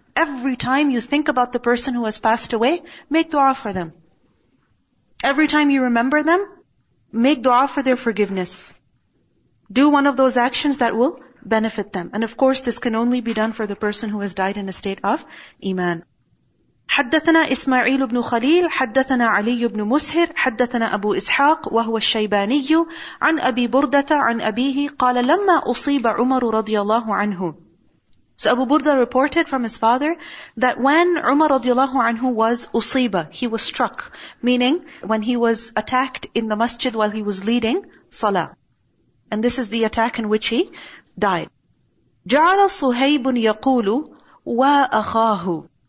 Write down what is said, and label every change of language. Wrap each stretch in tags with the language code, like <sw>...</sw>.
<en>Every time you think about the person who has passed away, make dua for them. Every time you remember them, make dua for their forgiveness. Do one of those actions that will benefit them. And of course, this can only be done for the person who has died in a state of iman.</en> <ar>حدثنا إسماعيل بن خليل حدثنا علي بن مسهر حدثنا أبو إسحاق وهو الشيباني عن أبي بردة عن أبيه قال لما أصيب عمر رضي الله عنه.</ar> <en>So Abu Burda reported from his father that when Umar radiallahu anhu was usiba, he was struck, meaning when he was attacked in the masjid while he was leading salah. And this is the attack in which he died.</en> <ar>جعل صهيب يقول وأخاه.</ar>